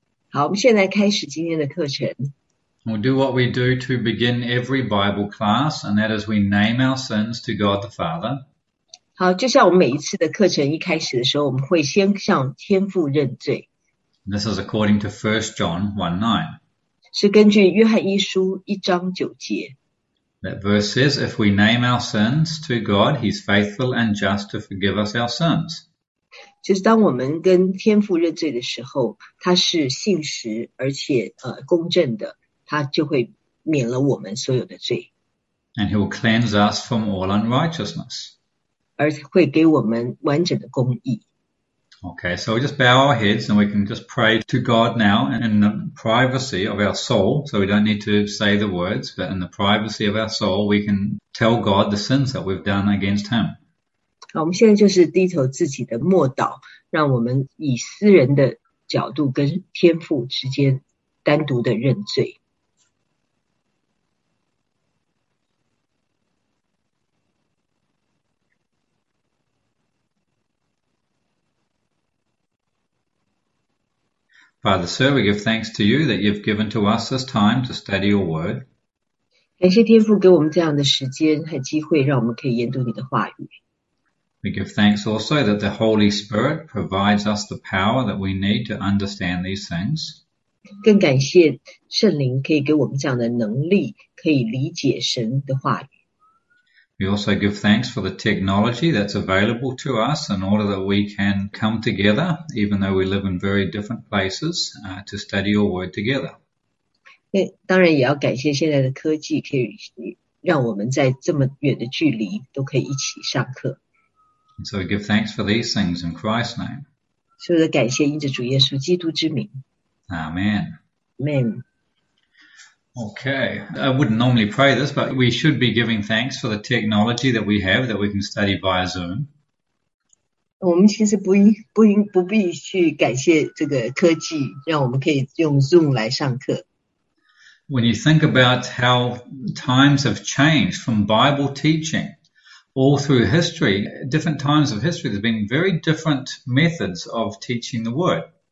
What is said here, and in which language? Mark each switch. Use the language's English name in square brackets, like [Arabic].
[Chinese] 好，我们现在开始今天的课程。 [English] We'll do what we do to begin every Bible class, and that is we name our sins to God the Father. [Chinese] 好，就像我们每一次的课程一开始的时候，我们会先向天父认罪， [English] This is according to 1 John 1:9. [Chinese] 是根据约翰一书1:9。 [English] That verse says, if we name our sins to God, He's faithful and just to forgive us our sins. [Chinese] 就是当我们跟天父认罪的时候，他是信实而且公正的，他就会免了我们所有的罪， [English] And he will cleanse us from all unrighteousness. [Chinese] 而且会给我们完整的公义。 [English] Okay, so we just bow our heads and we can just pray to God now in the privacy of our soul. So we don't need to say the words, but in the privacy of our soul, we can tell God the sins that we've done against him. [Chinese] 好，我们现在就是低头自己的默祷，让我们以私人的角度跟天父之间单独的认罪。 [English] Father, sir, we give thanks to you that you've given to us this time to study your word. [Chinese] 感谢天父给我们这样的时间和机会，让我们可以研读你的话语。 [English] We give thanks also that the Holy Spirit provides us the power that we need to understand these things. [Chinese] 更感谢圣灵可以给我们这样的能力，可以理解神的话语。 [English] We also give thanks for the technology that's available to us in order that we can come together, even though we live in very different places, to study your word together. [Chinese] 当然也要感谢现在的科技，可以让我们在这么远的距离都可以一起上课。 [English] And so we give thanks for these things in Christ's name. [Chinese] 所有的感谢，因着主耶稣基督之名。 [English] Amen. Amen。 Okay, I wouldn't normally pray this, but we should be giving thanks for the technology that we have that we can study via Zoom. [Chinese] 我们其实不必去感谢这个科技，让我们可以用 Zoom 来上课。 [English] When you think about how times have changed from Bible teaching all through history, different times of history, there's been very different methods of teaching the word.